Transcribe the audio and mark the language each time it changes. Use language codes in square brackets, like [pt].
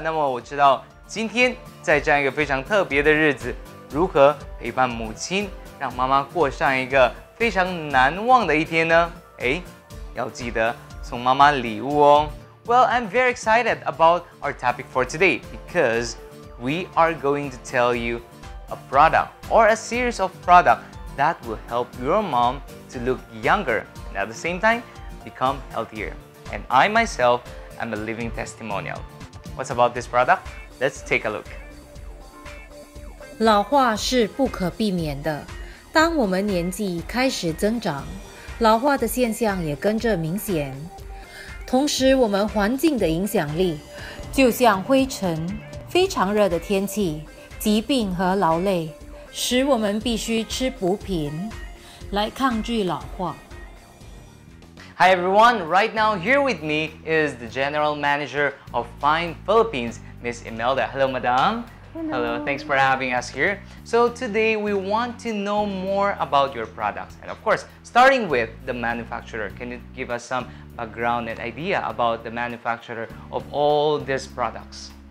[zh] 那么我知道今天在这样一个非常特别的日子，如何陪伴母亲，让妈妈过上一个非常难忘的一天呢？哎，要记得送妈妈礼物哦。 [en] Well, I'm very excited about our topic for today because we are going to tell you a product or a series of products that will help your mom to look younger and at the same time become healthier. And I myself am a living testimonial. What's about this product? Let's take a look. [zh] 老化是不可避免的。当我们年纪开始增长，老化的现象也跟着明显。同时，我们环境的影响力，就像灰尘、非常热的天气、疾病和劳累，使我们必须吃补品来抗拒老化。 [en] Hi everyone, right now here with me is the General Manager of Fine Philippines, Ms. Imelda. Hello, Madam. Hello. Hello, thanks for having us here. So today we want to know more about your products. And of course, starting with the manufacturer, can you give us some background and idea about the manufacturer of all these products?